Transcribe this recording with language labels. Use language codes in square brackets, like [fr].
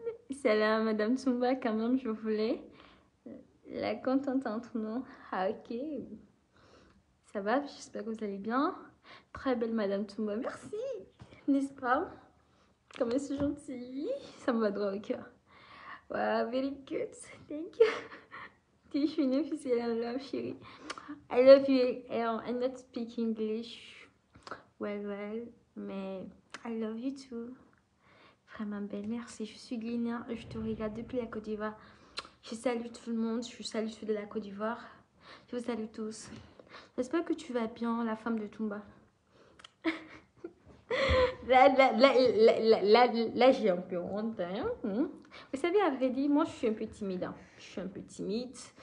[fr] C'est là, Madame Tsumba, quand même, je voulais la contente entre nous. Ah, ok. Ça va, j'espère que vous allez bien. Très belle Madame Tsumba, merci. N'est-ce pas? Comme je suis gentille, ça m'a droit au cœur. [en] Wow, very good, thank you. [fr] Tu es une officielle, love, chérie. [en] I love you, I'm not speak English well, [fr] mais [en] I love you too. [fr] Vraiment belle, merci. Je suis Guinéen, je te regarde depuis la Côte d'Ivoire. Je salue tout le monde, je salue ceux de la Côte d'Ivoire. Je vous salue tous. J'espère que tu vas bien, la femme de Toumba. Là, j'ai un peu honte. Hein? Vous savez, à vrai dire, moi, je suis un peu timide. Hein? Je suis un peu timide.